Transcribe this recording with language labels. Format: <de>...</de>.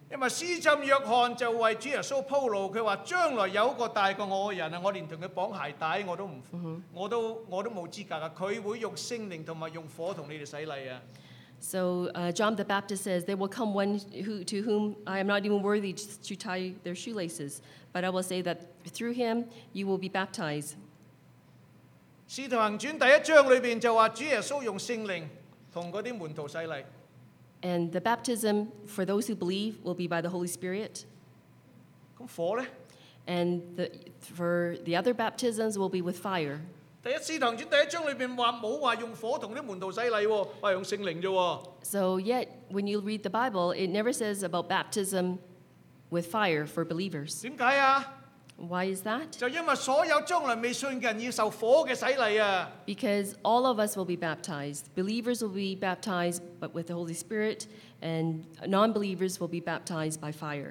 <yue>因為施浸約翰就為主耶穌鋪路，佢話將來有一個大過我嘅人啊，我連同佢綁鞋帶我都冇資格啊，佢會用聖靈同埋用火同你哋洗禮啊。</yue> <en>So John the Baptist says, there will come one to whom I am not even worthy to tie their shoelaces, but I will say that through him you will be baptized.</en> <yue>使徒行传第一章里边就话主耶稣用圣灵同嗰啲门徒洗礼。</yue> <en>And the baptism for those who believe will be by the Holy Spirit.</en> <yue>咁火咧？</yue> <en>And for the other baptisms will be with fire.</en> <yue>第一使徒行传第一章里边话冇话用火同啲门徒洗礼，话用圣灵啫。</yue> <en>So yet when you read the Bible, it never says about baptism. With fire for believers. Why is that? Because all of us will be baptized. Believers will be baptized but with the Holy Spirit, and non-believers will be baptized by fire.</en>